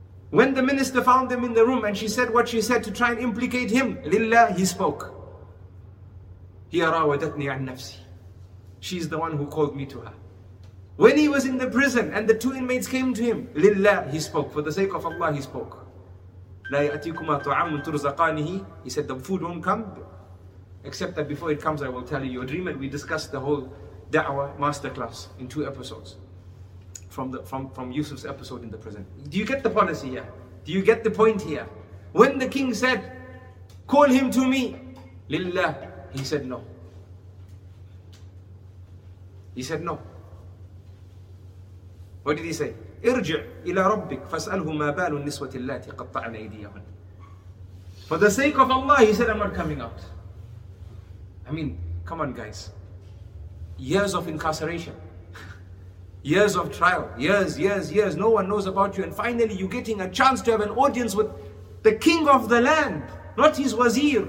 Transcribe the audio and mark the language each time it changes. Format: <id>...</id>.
<en>When the minister found them in the room and she said what she said to try and implicate him,</en> <ar>لله,</ar> <en>he spoke.</en> <ar>هي راودتني عن نفسي.</ar> <en>She's the one who called me to her. When he was in the prison and the two inmates came to him,</en> <ar>لله,</ar> <en>he spoke. For the sake of Allah, he spoke.</en> <ar>لا يأتيكما طعام ترزقانه.</ar> <en>He said, the food won't come, except that before it comes, I will tell you a dream. And we discussed the whole da'wah masterclass in two episodes from Yusuf's episode in the prison. Do you get the policy here? Do you get the point here? When the king said, call him to me,</en> <ar>لله,</ar> <en>he said no. He said no. What did he say?</en> <ar>ارجع إلى ربك فاسأله ما بال النسوة اللاتي قطعن أيديهن.</ar> <en>For the sake of Allah, he said, I'm not coming out. I mean, come on guys. Years of incarceration. Years of trial. Years, years, years. No one knows about you. And finally, you're getting a chance to have an audience with the king of the land. Not his wazir.</en>